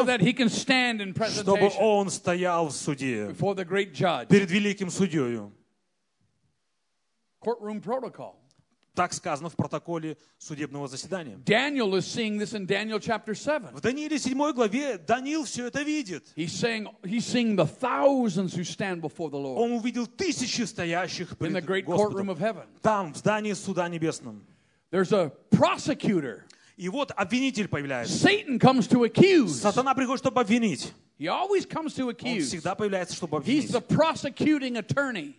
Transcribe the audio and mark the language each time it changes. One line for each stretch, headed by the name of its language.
English: so that he can stand in presentation,
Russian: чтобы он стоял в суде
English: before the great judge.
Russian: Перед великим судьёю.
English: Courtroom protocol.
Russian: Так сказано в протоколе судебного заседания.
English: Daniel is seeing this in Daniel chapter 7.
Russian: В Данииле 7 главе Даниил все это видит.
English: He's seeing the thousands who stand before the Lord.
Russian: Он увидел тысячи стоящих перед Господом.
English: In the great courtroom of heaven.
Russian: Там, в здании суда небесном.
English: There's a prosecutor.
Russian: И вот обвинитель появляется.
English: Satan comes to accuse.
Russian: Сатана приходит, чтобы обвинить.
English: He always comes to accuse.
Russian: Он всегда появляется, чтобы обвинить.
English: He's the prosecuting attorney.